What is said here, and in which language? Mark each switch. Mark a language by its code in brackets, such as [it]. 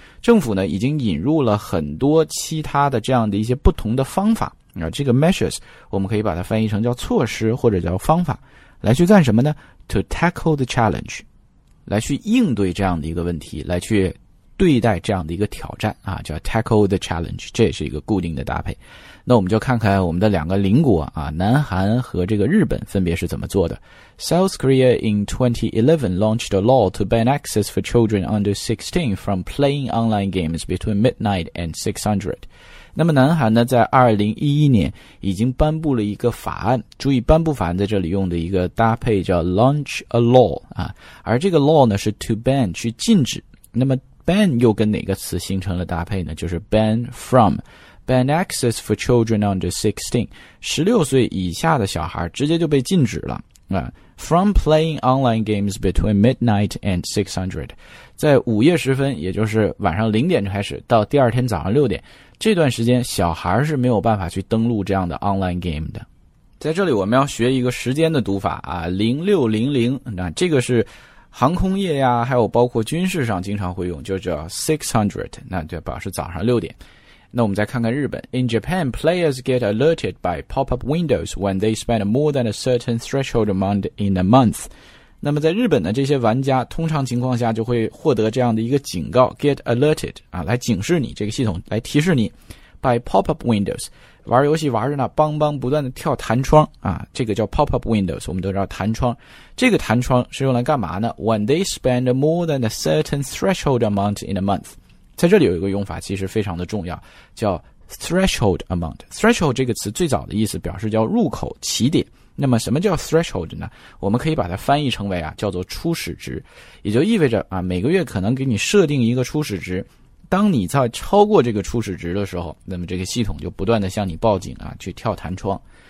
[zh] 政府呢已经引入了很多其他的这样的一些不同的方法啊，这个 measures 我们可以把它翻译成叫措施或者叫方法，来去干什么呢 ？ [en] To tackle the challenge， [zh] 来去应对这样的一个问题，来去对待这样的一个挑战啊，叫 [en] tackle the challenge， [zh] 这也是一个固定的搭配。那我们就看看我们的两个邻国啊，南韩和这个日本分别是怎么做的。 [en] South Korea in 2011 launched a law to ban access for children under 16 from playing online games between midnight and 600. [zh] 那么南韩呢，在2011年已经颁布了一个法案，注意颁布法案在这里用的一个搭配叫 [en] launch a law [zh] 啊，而这个 law 呢是 to ban， 去禁止。那么ban 又跟哪个词形成了搭配呢？就是 ban from， [en] ban access for children under 16， [zh] 16岁以下的小孩直接就被禁止了、 [en] from playing online games between midnight and 600， [zh] 在午夜时分，也就是晚上0点就开始，到第二天早上6点，这段时间小孩是没有办法去登录这样的 online game 的。在这里我们要学一个时间的读法啊，0600，那这个是航空业呀，还有包括军事上经常会用，就叫 600， 那就表示早上6点。那我们再看看日本。 [en] In Japan, players get alerted by pop-up windows when they spend more than a certain threshold amount in a month. [zh] 那么在日本呢，这些玩家通常情况下就会获得这样的一个警告， [en] get alerted, [zh] 啊，来警示你，这个系统来提示你， [en] by pop-up windows。 [zh] 玩游戏玩着呢，邦邦不断的跳弹窗啊，这个叫 pop-up windows， 我们都知道弹窗。这个弹窗是用来干嘛呢？ [en] When they spend more than a certain threshold amount in a month， [zh] 在这里有一个用法其实非常的重要，叫 threshold amount。 threshold 这个词最早的意思表示叫入口起点。那么什么叫 threshold 呢？我们可以把它翻译成为啊，叫做初始值，也就意味着啊，每个月可能给你设定一个初始值，当你在超过这个初始值的时候，那么这个系统就不断的向你报警啊，去跳弹窗。